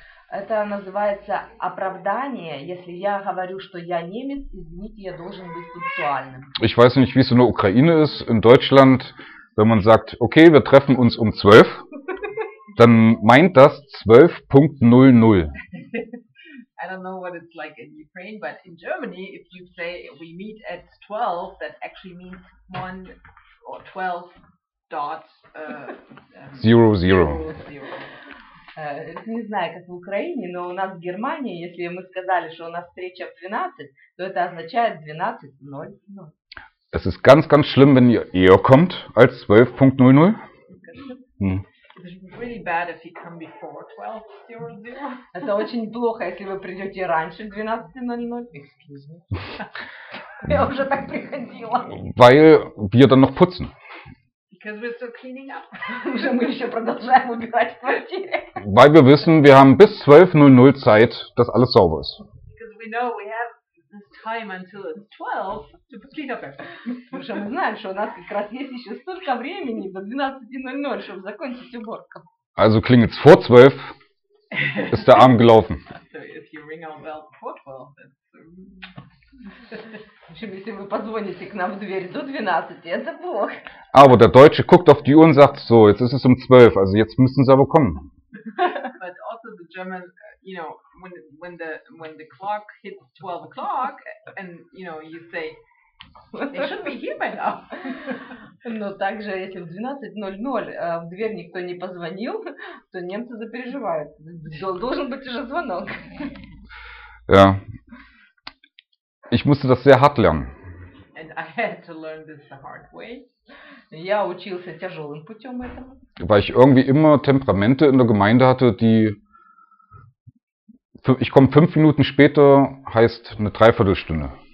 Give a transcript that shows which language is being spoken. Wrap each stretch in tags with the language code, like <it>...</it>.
<ru>Это называется оправдание, если я говорю, что я немец, извините, я должен быть пунктуальным.</ru> <de>Ich weiß nicht, wie es in der Ukraine ist. In Deutschland wenn man sagt, okay, wir treffen uns um 12, dann meint das 12.00.</de> <en>I don't know what it's like in Ukraine, but in Germany, if you say we meet at 12, that actually means 1 or 12 dot 00.</en> <ru>Не знаю, как в Украине, но у нас в Германии, если мы сказали, что у нас встреча в 12, то это означает 12.00.</ru> <de>Es ist ganz, ganz schlimm, wenn ihr eher kommt als 12.00.</de> <en>Really bad if you come before 12.00.</en> <ru>Это очень плохо, если вы придете раньше 12.00.</ru> <en>Excuse me.</en> <ru>Я уже так приходила.</ru> <de>Weil wir dann noch putzen.</de> <en>Because we're still cleaning up.</en> <ru>Уже мы еще продолжаем убирать в квартире.</ru> <de>Weil wir wissen, wir haben bis 12.00 Zeit, dass alles sauber ist.</de> <en>Because we know we have this time until it's 12 to clean up everything.</en> <ru>Потому что мы знаем, что у нас как раз есть еще столько времени до 12.00, чтобы закончить уборку.</ru> <de>Also klingelt's vor 12, ist der Abend gelaufen.</de> <en>So if you ring our bell before 12, that's...</en> <ru>Если вы позвоните к нам в дверь до 12, это плохо.</ru> <de>Aber der Deutsche guckt auf die Uhr und sagt, so, jetzt ist es um 12, also jetzt müssen sie aber kommen.</de> <en>But also the German, you know, when the clock hits 12 o'clock, and you know, you say, they should be here by now.</en> <ru>Но также, если в 12.00 в дверь никто не позвонил, то немцы запереживают. Должен быть уже звонок.</ru> <de>Ja. Ich musste das sehr hart lernen.</de> <en>And I had to learn this the hard way.</en> <ru>Я учился тяжелым путем этому.</ru> <de>Weil ich irgendwie immer Temperamente in der Gemeinde hatte, die... Ich komme 5 Minuten später, heißt eine Dreiviertelstunde.</de>